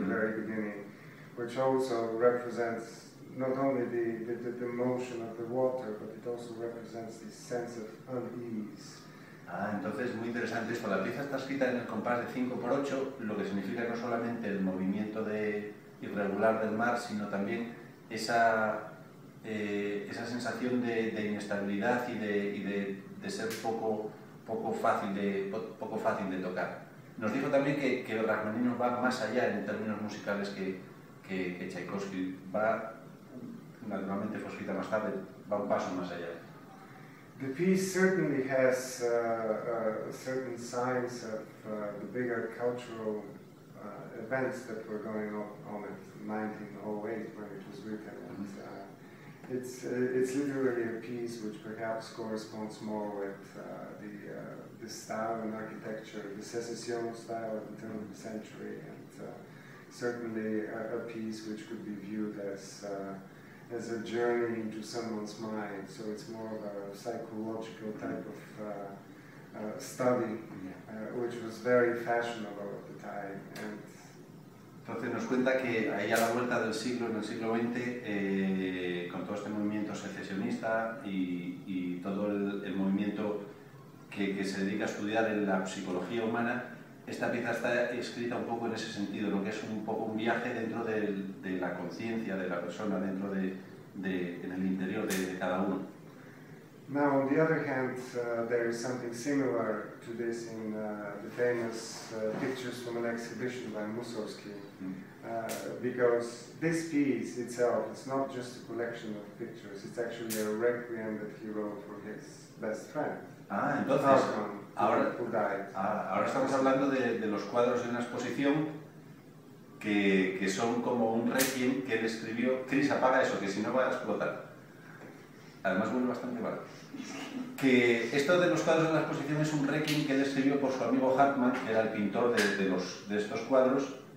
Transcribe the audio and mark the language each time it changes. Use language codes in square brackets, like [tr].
[en] the very beginning, which also represents not only the motion of the water, but it also represents this sense of unease. [es] Entonces muy interesante esto. La pieza está escrita en el compás de 5x8, lo que significa no solamente el movimiento irregular del mar, sino también esa sensación de inestabilidad y de ser poco fácil de tocar. Nos dijo también que Rachmaninoff va más allá en términos musicales que Tchaikovsky. Va, naturalmente fue escrita más tarde, va un paso más allá. [en] The piece certainly has certain signs of the bigger cultural events that were going on in 1908 when it was written. And, it's literally a piece which perhaps corresponds more with the style and architecture, the secession style of the turn of the century, and certainly a piece which could be viewed as as a journey into someone's mind. So it's more of a psychological type of study, which was very fashionable at the time. And [es] entonces nos cuenta que ahí a la vuelta del siglo, en el siglo XX, con todo este movimiento secesionista y todo el movimiento que se dedica a estudiar en la psicología humana, esta pieza está escrita un poco en ese sentido, ¿no? Que es un poco un viaje dentro de la conciencia de la persona, dentro de en el interior de cada uno. [en] Now, on the other hand, there is something similar to this in the famous pictures from an exhibition by Mussorgsky. Because this piece itself, it's not just a collection of pictures, it's actually a requiem that he wrote for his best friend. [es] Ah, entonces, ahora estamos hablando de los cuadros de una exposición que son como un requiem que él escribió. Chris, apaga eso, que si no va a explotar. Además, vuelve bastante barato. Que esto de los cuadros de la exposición es un requiem que él escribió por su amigo Hartmann, que era el pintor de estos cuadros.